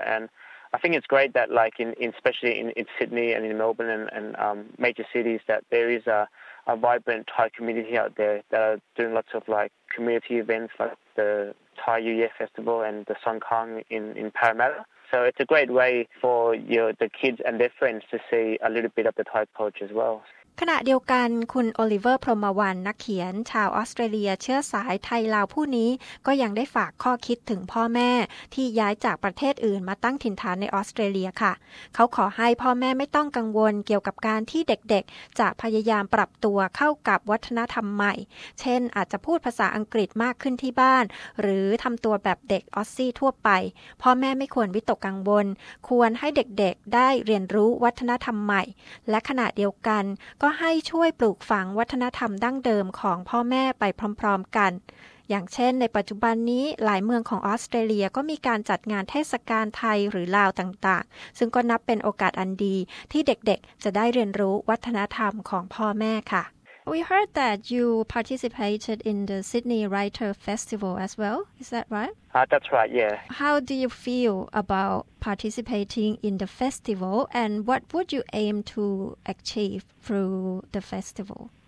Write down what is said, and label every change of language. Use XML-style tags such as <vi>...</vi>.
<en>And I think it's great that like especially in Sydney and in Melbourne and major cities that there is a vibrant Thai community out there that are doing lots of like community events like the Thai New Year Festival and the Song Kang in Parramatta. So it's a great way for the kids and their friends to see a little bit of the Thai culture as well.</en> <th>ขณะเดียวกันคุณโอลิเวอร์พรหมวรรณนักเขียนชาวออสเตรเลียเชื้อสายไทยลาวผู้นี้ก็ยังได้ฝากข้อคิดถึงพ่อแม่ที่ย้ายจากประเทศอื่นมาตั้งถิ่นฐานในออสเตรเลียค่ะเขาขอให้พ่อแม่ไม่ต้องกังวลเกี่ยวกับการที่เด็กๆจะพยายามปรับตัวเข้ากับวัฒนธรรมใหม่เช่นอาจจะพูดภาษาอังกฤษมากขึ้นที่บ้านหรือทำตัวแบบเด็กออสซี่ทั่วไป พ่อแม่ไม่ควรวิตกกังวลควรให้เด็กๆได้เรียนรู้วัฒนธรรมใหม่และขณะเดียวกันก็ให้ช่วยปลูกฝังวัฒนธรรมดั้งเดิมของพ่อแม่ไปพร้อมๆกัน อย่างเช่นในปัจจุบันนี้หลายเมืองของออสเตรเลียก็มีการจัดงานเทศกาลไทยหรือลาวต่างๆซึ่งก็นับเป็นโอกาสอันดีที่เด็กๆจะได้เรียนรู้วัฒนธรรมของพ่อแม่ค่ะ</th> <en>We heard that you participated in the Sydney Writer Festival as well. Is that right? That's right, yeah. How do you feel about participating in the festival and what would you aim to achieve through the festival?</en>